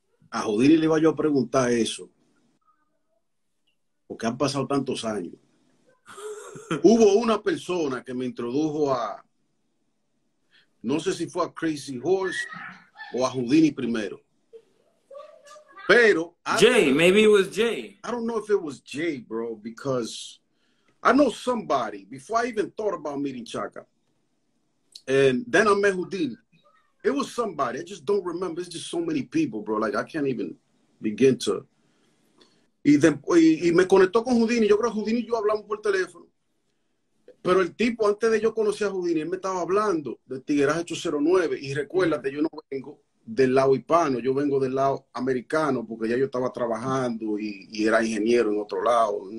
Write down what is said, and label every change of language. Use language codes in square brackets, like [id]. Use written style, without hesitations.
[es] A Houdini le iba yo a preguntar eso. Porque han pasado tantos años. Hubo una persona que me introdujo a... No sé si fue a Crazy Horse o a Houdini primero. Pero... [en] Maybe it was Jay. I don't know if it was Jay, bro, because I know somebody before I even thought about meeting Chaca. And then I met Houdini. It was somebody. I just don't remember. It's just so many people, bro. Like, I can't even begin to... [es] Y me conectó con Houdini. Yo creo que Houdini y yo hablamos por teléfono. Pero el tipo, antes de yo conocer a Houdini, él me estaba hablando de Tigueraje 809. Y recuérdate, yo no vengo del lado hispano, yo vengo del lado americano, porque ya yo estaba trabajando y era ingeniero en otro lado.